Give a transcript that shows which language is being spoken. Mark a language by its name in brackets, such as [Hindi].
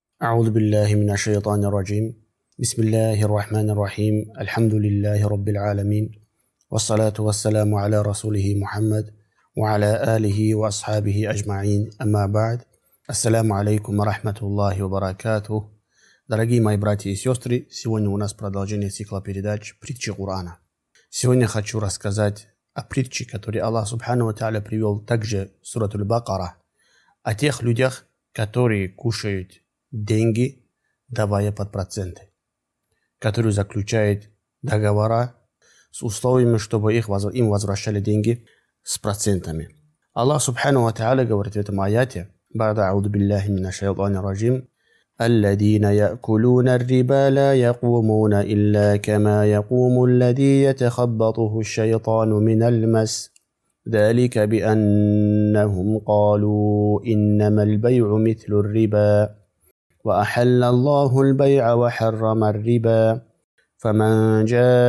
[Arabic] أعوذ بالله من الشيطان الرجيم. بسم الله الرحمن الرحيم. الحمد لله رب العالمين، والصلاة والسلام على رسوله محمد وعلى آله وأصحابه أجمعين. أما بعد، السلام عليكم ورحمة الله وبركاته. [Russian] Дорогие мои братья и сестры, сегодня у нас продолжение цикла передач «Притчи Корана». Сегодня хочу рассказать о притче, которую Аллах Субхану ва Тааля привел также в Сурату Аль-Бакара, о тех людях, которые кушают деньги, давая под проценты, которые заключают договора с условиями, чтобы им возвращали деньги с процентами. Аллах Субхану ва Тааля говорит в этом аяте: [Arabic] «Бада ауду биллахи мина шайтани ражим». الذين يأكلون الربا لا يقومون إلا كما يقوم الذي يتخبطه الشيطان من المس ذلك بأنهم قالوا إنما البيع مثل الربا وأحل الله البيع وحرم الربا فمن جاءه